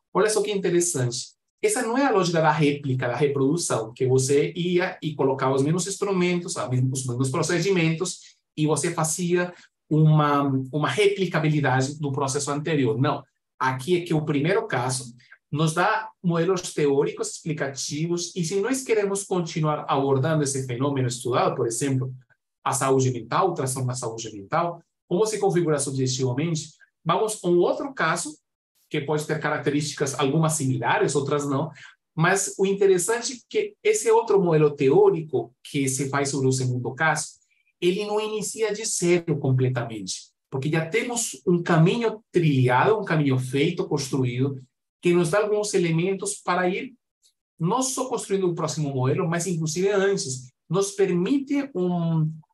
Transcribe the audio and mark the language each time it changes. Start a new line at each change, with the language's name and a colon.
Portuguese: Olha só que interessante. Essa não é a lógica da réplica, da reprodução, que você ia e colocava os mesmos instrumentos, os mesmos procedimentos, e você fazia uma replicabilidade do processo anterior. Não. Aqui é que o primeiro caso nos dá modelos teóricos explicativos, e se nós queremos continuar abordando esse fenômeno estudado, por exemplo, a saúde mental, o transtorno da saúde mental, como se configura subjetivamente,
Spanish: Vamos a un otro caso que puede tener características algunas similares, otras no.
Portuguese: Mas o interessante é que esse outro modelo teórico que se faz sobre o segundo caso, ele não inicia de zero completamente, porque já temos um caminho trilhado, um caminho feito, construído, que nos dá alguns elementos para ir não só construindo o próximo modelo, mas inclusive antes, nos permite vou